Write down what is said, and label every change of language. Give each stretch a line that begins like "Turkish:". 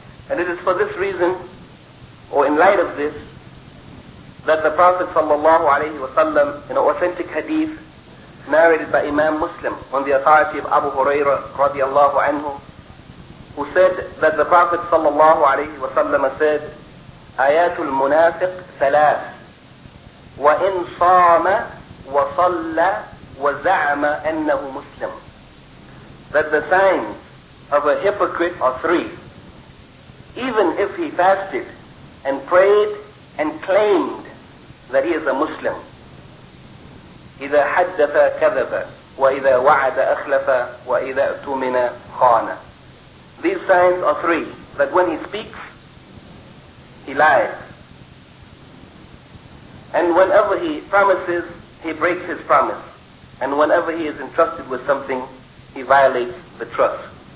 English: And it is for this reason, or in light of this, that the Prophet sallallahu alayhi wa sallam, in an authentic hadith narrated by Imam Muslim on the authority of Abu Huraira radiallahu anhu, who said that the Prophet sallallahu alayhi wa sallam said,
Arabic: آيات المنافق ثلاث وإن صام وصلى وزعم أنه مسلم.
English: That the signs of a hypocrite are three. Even if he fasted and prayed and claimed that he is a Muslim.
Arabic: إذا حدث كذب وإذا وعد أخلف وإذا اؤتمن خان.
English: These signs are three. That when he speaks, he lies. And whenever he promises, he breaks his promise. And whenever he is entrusted with something, he violates the trust.